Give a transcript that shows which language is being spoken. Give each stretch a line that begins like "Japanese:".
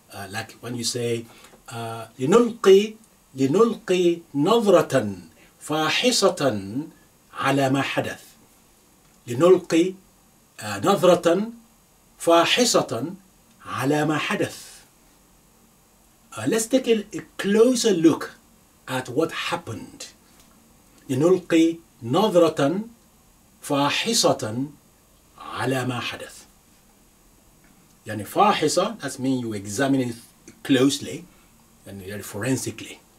English: Like when you say
Arabic: لنلقي نظرة فاحصة على ما حدث. لنلقي نظرة فاحصة على ما حدث.
English: Let's take a closer look at what happened.
Arabic: لنلقي نظرة فاحصة على ما حدث. يعني فاحصة,
English: that means you examine it closely and very forensically.